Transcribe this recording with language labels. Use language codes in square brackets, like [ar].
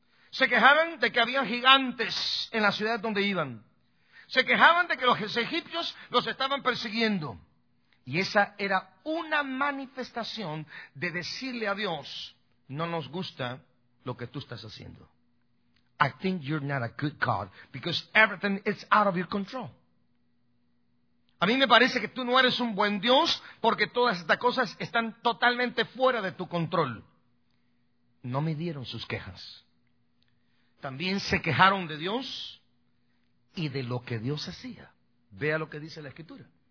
[es] Se quejaban de que había gigantes en la ciudad donde iban. Se quejaban de que los egipcios los estaban persiguiendo. Y esa era una manifestación de decirle a Dios, no nos gusta lo que tú estás haciendo. [en] I think you're not a good God because everything is out of your control. [es] A mí me parece que tú no eres un buen Dios porque todas estas cosas están totalmente fuera de tu control. No me dieron sus quejas. También se quejaron de Dios y de lo que Dios hacía. Vea lo que dice la Escritura.